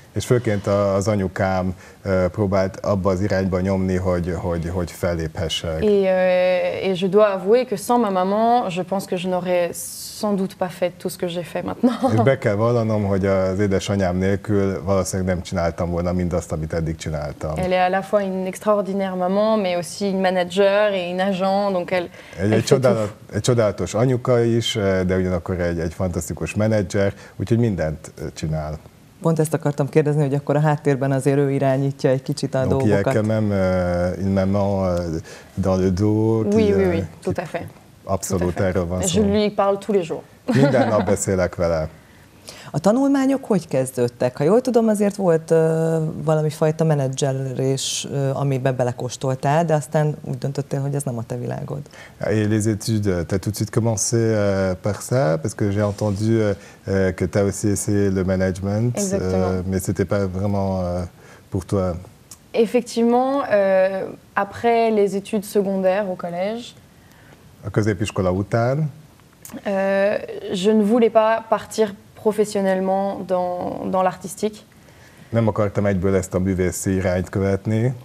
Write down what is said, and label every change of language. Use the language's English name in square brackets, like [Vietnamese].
[Hungarian] és főként az anyukám próbált abba az irányba nyomni, hogy felléphessek. [French] Et je dois avouer que sans ma maman, je pense que je n'aurais sans doute pas fait tout ce que j'ai fait maintenant. [Hungarian] És be kell vallanom, hogy az édesanyám nélkül valószínűleg nem csináltam volna mindazt, amit eddig csináltam. [French] Elle est à la fois une extraordinaire maman, mais aussi une manager et une agent, donc [Hungarian] egy csodálatos anyuka is, de ugyanakkor egy fantasztikus menedzser, úgyhogy mindent csinál. Pont ezt akartam kérdezni, hogy akkor a háttérben azért ő irányítja egy kicsit a dolgokat. [French] Donc il y a quand même une maman dans le dos. Oui, tout à fait. [Hungarian] Abszolút, erről van szó. [French] Je lui parle tous les jours. [Hungarian] Minden nap beszélek vele. A tanulmányok hogy kezdődtek? Ha jól tudom, azért volt valami fajta menedzselés, amiben belekóstoltál, de aztán úgy döntöttél, hogy ez nem a te világod. [French] Et les études, t'as tout de suite commencé par ça, parce que j'ai entendu que t'as aussi essayé le management, mais c'était pas vraiment pour toi. Effectivement, après les études secondaires au collège. [Hungarian] A középiskola után. [French] Je ne voulais pas partir professionnellement dans l'artistique. [Hungarian] Nem akartam egyből ezt a művészi irányt követni.